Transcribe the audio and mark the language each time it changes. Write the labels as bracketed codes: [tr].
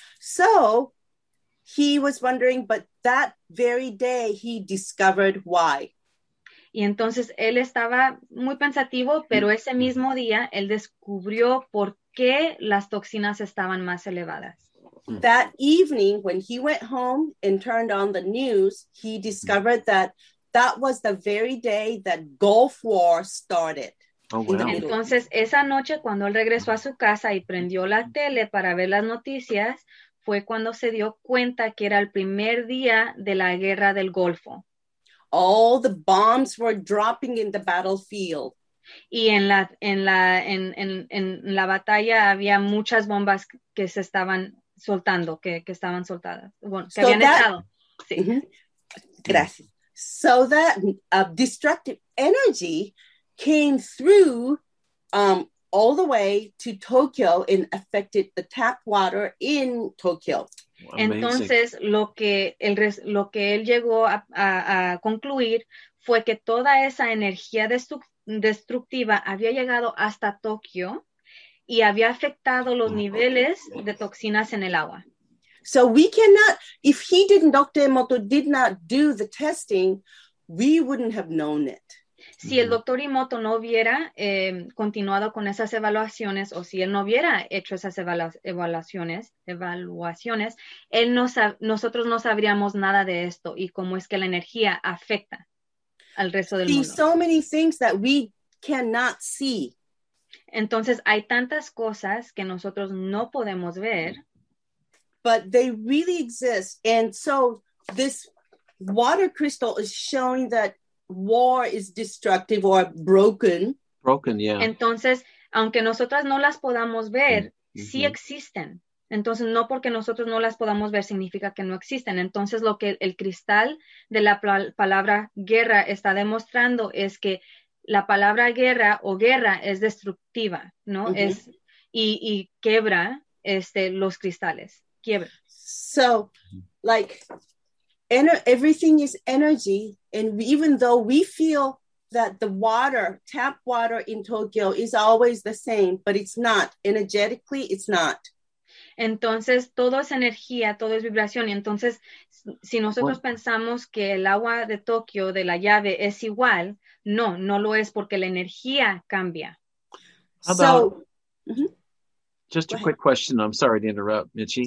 [en] So he was wondering, but that very day he discovered why. [es] Y entonces él estaba muy pensativo, pero ese mismo día él descubrió por qué las toxinas estaban más elevadas. [en] That evening, when he went home and turned on the news, he discovered that that was the very day that Gulf War started. Oh, wow. [es] Entonces esa noche, cuando él regresó a su casa y prendió la tele para ver las noticias, fue cuando se dio cuenta que era el primer día de la guerra del Golfo. [en] All the bombs were dropping in the battlefield. [es] Y en la batalla había muchas bombas que se estaban soltando, que estaban soltadas. Bueno, que so habían estado. Sí. Mm-hmm. Gracias. [en] So that destructive energy came through all the way to Tokyo and affected the tap water in Tokyo. Amazing. [es] Entonces, lo que él llegó a concluir fue que toda esa energía destructiva había llegado hasta Tokio y había afectado los niveles de toxinas en el agua. [en] So we cannot, if he didn't, Dr. Emoto did not do the testing, we wouldn't have known it. [es] Si el doctor Emoto no hubiera continuado con esas evaluaciones, o si él no hubiera hecho esas evaluaciones, él no nosotros no sabríamos nada de esto y cómo es que la energía afecta al resto del mundo. [en] So many things that we cannot see. [es] Entonces, hay tantas cosas que nosotros no podemos ver. [en] But they really exist. And so this water crystal is showing that war is destructive or broken. Broken, yeah. [es] Entonces, aunque nosotras no las podamos ver, mm-hmm. sí existen. Entonces, no porque nosotros no las podamos ver significa que no existen. Entonces, lo que el cristal de la palabra guerra está demostrando es que la palabra guerra o guerra es destructiva, ¿no? Mm-hmm. Es y quiebra los cristales. Quiebra. [en] So, like, everything is energy, and even though we feel that the water, tap water in Tokyo is always the same, but it's not. Energetically, it's not. [es] Entonces, todo es energía, todo es vibración. Y entonces, si nosotros pensamos que el agua de Tokio, de la llave, es igual, no, no lo es porque la energía cambia. [en] Just a quick question. I'm sorry to interrupt, Michi.